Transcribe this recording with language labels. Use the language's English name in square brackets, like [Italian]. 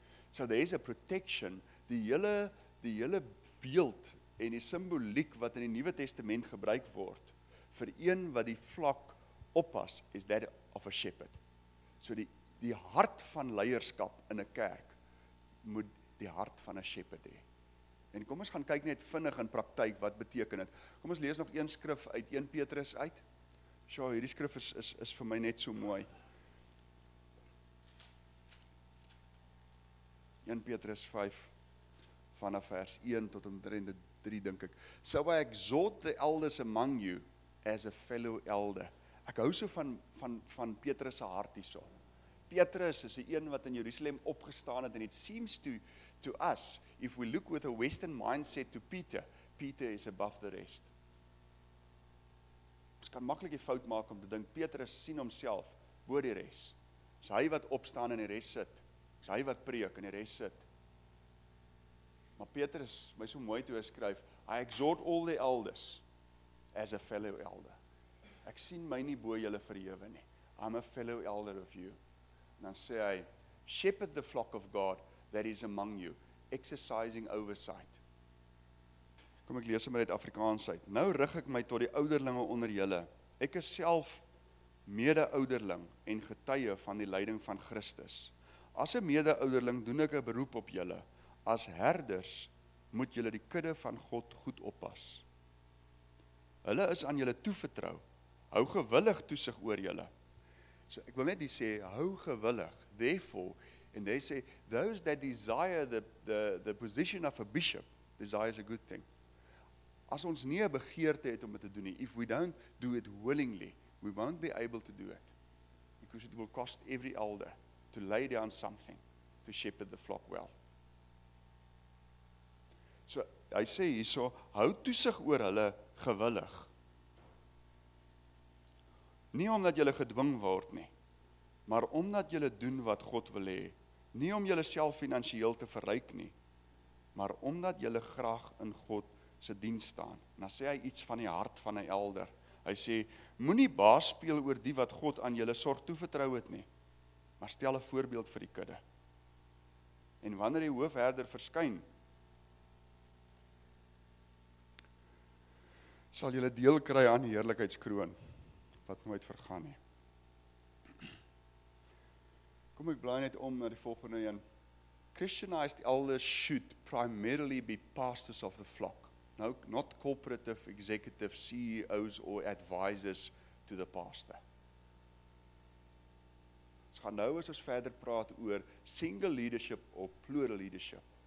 [English] So there is a protection, [Afrikaans] die hele beeld en die simboliek wat in die Nuwe Testament gebruik word, vir een wat die flok oppas, [English] is that of a shepherd. [Afrikaans] So die hart van leierskap in 'n kerk, moet die hart van 'n shepherd hê. En kom ons gaan kyk net vinnig in praktyk, wat beteken het. Kom ons lees nog 1 skrif uit 1 Petrus uit. So hierdie skrif is vir my net so mooi. 1 Petrus 5, vanaf vers 1 tot omtrent 3, denk ek. [English] So I exhort the elders among you as a fellow elder. [Afrikaans] Ek hou so van Petrus' hart hierso. Petrus is die een wat in Jerusalem opgestaan het, [English] and it seems to us, if we look with a Western mindset to Peter, Peter is above the rest. [Afrikaans] Ons kan makkelijk die fout maak om te dink, Petrus sien homself bo die res. Is hy wat opstaan en die res sit. Is hy wat preek en die res sit. Maar Petrus, my so mooi toe skryf, [English] I exhort all the elders as a fellow elder. [Afrikaans] Ek sien my nie bo julle verhewe nie. [English] I'm a fellow elder of you. [Afrikaans] En dan sê hy, [English] shepherd the flock of God that is among you, exercising oversight. [Afrikaans] Kom ek lees met dit Afrikaans uit. Nou rig ek my tot die ouderlinge onder julle. Ek is self mede-ouderling en getuie van die leiding van Christus. As 'n mede-ouderling doen ek 'n beroep op julle. As herders moet julle die kudde van God goed oppas. Hulle is aan julle toevertrou. Hou gewillig toesig oor julle. So ek wil net die sê, hou gewillig, [English] therefore, and they say, those that desire the position of a bishop, desires a good thing. [Afrikaans] As ons nie 'n begeerte het om dit te doen nie, [English] if we don't do it willingly, we won't be able to do it. Because it will cost every elder to lay down something, to shepherd the flock well. [Afrikaans] So, hy sê hierso, hou toesig oor hulle gewillig. Nie omdat julle gedwing word nie, maar omdat julle doen wat God wil hê. Nie om julleself finansieel te verryk nie, maar omdat julle graag in God se diens staan. En dan sê hy iets van die hart van 'n elder. Hy sê, moenie baas speel oor die wat God aan julle sorg toevertrou het nie, maar stel 'n voorbeeld vir die kudde. En wanneer die hoofherder verskyn, sal julle deel kry aan die heerlikheidskroon wat nooit vergaan nie. Kom ek blaai net om na die volgende een. [English] Christianized elders should primarily be pastors of the flock. Now, not corporative executive CEOs or advisors to the pastor. [Afrikaans] Ons gaan nou as ons verder praat oor [English] single leadership of plural leadership.